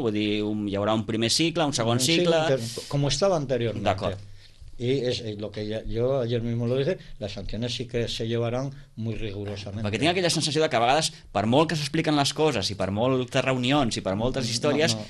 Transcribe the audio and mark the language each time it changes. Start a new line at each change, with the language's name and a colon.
Catalan: Vull dir, hi haurà un primer cicle, un segon cicle... Sí, com estava anteriorment. D'acord.
Spanish: Y es lo que ya, yo ayer mismo lo dije, las sanciones sí que se llevarán muy rigurosamente.
Catalan: Perquè tinc aquella sensació de que a vegades, per molt que s'expliquen les coses i per moltes reunions i per moltes històries, no.